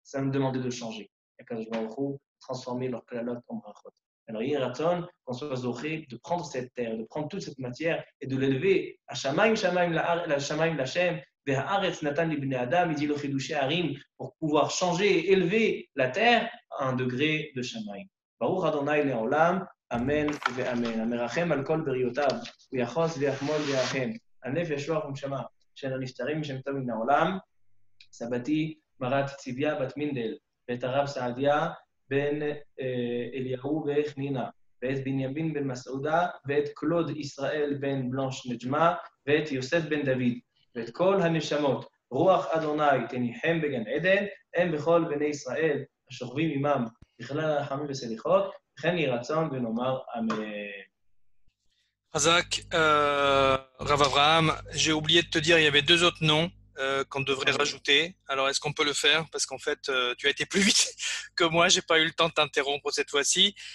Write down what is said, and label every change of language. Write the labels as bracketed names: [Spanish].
[French] Ça va nous demander de changer. Et Kadosh Baruch Hu, transformer leur klalot en brachot. Alors, Yeraton, qu'on soit zoché de prendre cette terre, de prendre toute cette matière et de l'élever à Shamaim, Shamaim, [Hebrew] la Shamaim, la Shem, Ve'aretz Natan Ibn Adam, [French] il dit le Chidushé Harim, pour pouvoir changer et élever la terre à un degré de Shamaim. [Hebrew] ברוך אדוני לעולם, אמן ואמן. המרחם על כל בריאותיו, הוא יחוס ויחמול ויחם. הנפש רוח ומשמה של הנפטרים משם טוב מן העולם, סבתי מרת ציביה בת מינדל, ואת הרב סעדיה בן אליהו וחנינה, ואת בנימין בן מסעודה, ואת קלוד ישראל בן בלנש נג'מה, ואת יוסף בן דוד, ואת כל הנשמות, רוח אדוני תניחם בגן עדן, הם בכל בני ישראל, השוכבים עמם, [French] Hazak, Rav Avraham, j'ai oublié de te dire, il y avait deux autres noms qu'on devrait rajouter. Alors, est-ce qu'on peut le faire? Parce qu'en fait, tu as été plus vite que moi, je n'ai pas eu le temps de t'interrompre cette fois-ci.